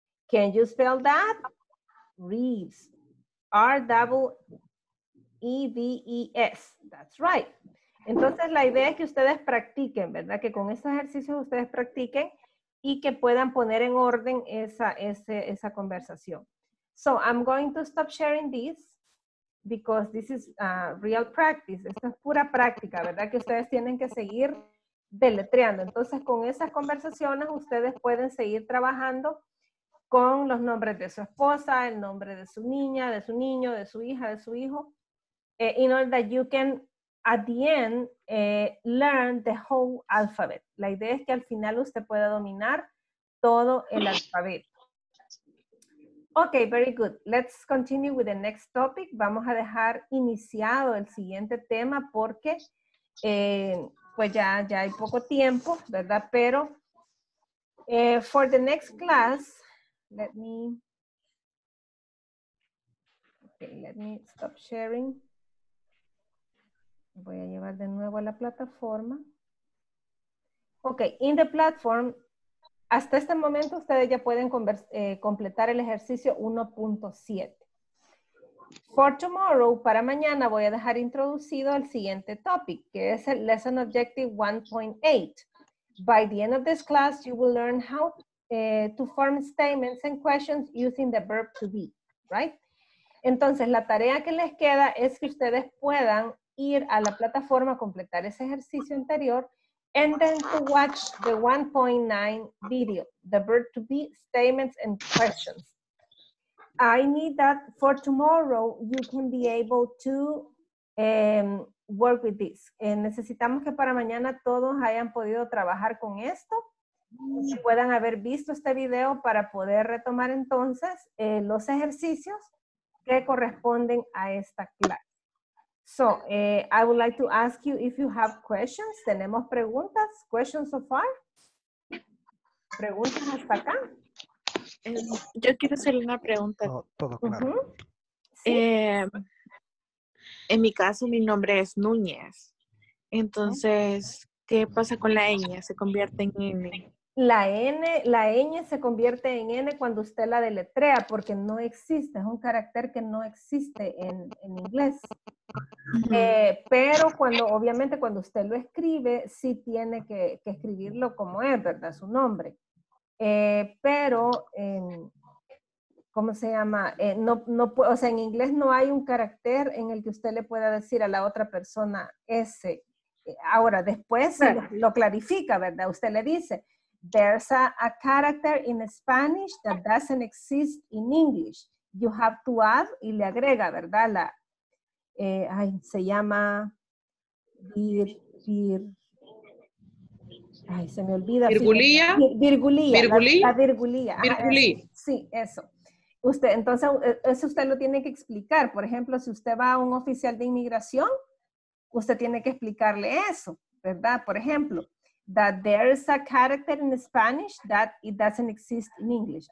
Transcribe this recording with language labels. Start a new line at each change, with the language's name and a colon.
English: Can you spell that? Reeves. R-E-E-V-E-S. That's right.
Spanish: Entonces, la idea es que ustedes practiquen, ¿verdad? Que con estos ejercicios ustedes practiquen y que puedan poner en orden esa conversación.
English: So, I'm going to stop sharing this because this is real practice.
Spanish: Esta es pura práctica, ¿verdad? Que ustedes tienen que seguir deletreando. Entonces, con esas conversaciones ustedes pueden seguir trabajando con los nombres de su esposa, el nombre de su niña, de su niño, de su hija, de su hijo.
English: In order that you can... At the end, learn the whole alphabet.
Spanish: La idea es que al final usted pueda dominar todo el alfabeto.
English: Okay, very good. Let's continue with the next topic.
Spanish: Vamos a dejar iniciado el siguiente tema porque pues ya hay poco tiempo, ¿verdad? Pero
English: for the next class, let me stop sharing.
Spanish: Voy a llevar de nuevo a la plataforma.
English: Ok, in the platform,
Spanish: hasta este momento ustedes ya pueden completar el ejercicio 1.7.
English: For tomorrow,
Spanish: para mañana, voy a dejar introducido el siguiente topic, que es el Lesson Objective 1.8.
English: By the end of this class, you will learn how to form statements and questions using the verb to be, right?
Spanish: Entonces, la tarea que les queda es que ustedes puedan ir a la plataforma, completar ese ejercicio anterior,
English: and then to watch the 1.9 video, the verb to be statements and questions. I need that for tomorrow, you can be able to work with this.
Spanish: Necesitamos que para mañana todos hayan podido trabajar con esto, y puedan haber visto este video para poder retomar entonces los ejercicios que corresponden a esta clase.
English: So, I would like to ask you if you have questions.
Spanish: ¿Tenemos preguntas?
English: ¿Questions so far?
Spanish: ¿Preguntas hasta acá? Yo quiero hacer una pregunta. Todo claro. Uh-huh. ¿Sí? En mi caso, mi nombre es Núñez. Entonces, ¿qué pasa con la ñ? ¿Se convierte en N? La ñ se convierte en N cuando usted la deletrea porque no existe, es un carácter que no existe en inglés. Pero cuando, obviamente, cuando usted lo escribe, sí tiene que escribirlo como es, ¿verdad? Su nombre. ¿Cómo se llama? O sea, en inglés no hay un carácter en el que usted le pueda decir a la otra persona S. Ahora, después lo clarifica, ¿verdad? Usted le dice...
English: There's a character in Spanish that doesn't exist in English. You have to add,
Spanish: y le agrega, ¿verdad? Se llama se me olvida. ¿Virgulía? Virgulía. ¿Virgulía? La virgulía. ¿Virgulía? Sí, eso. Usted, entonces, eso usted lo tiene que explicar. Por ejemplo, si usted va a un oficial de inmigración, usted tiene que explicarle eso, ¿verdad? Por ejemplo.
English: that there is a character in Spanish that it doesn't exist in English.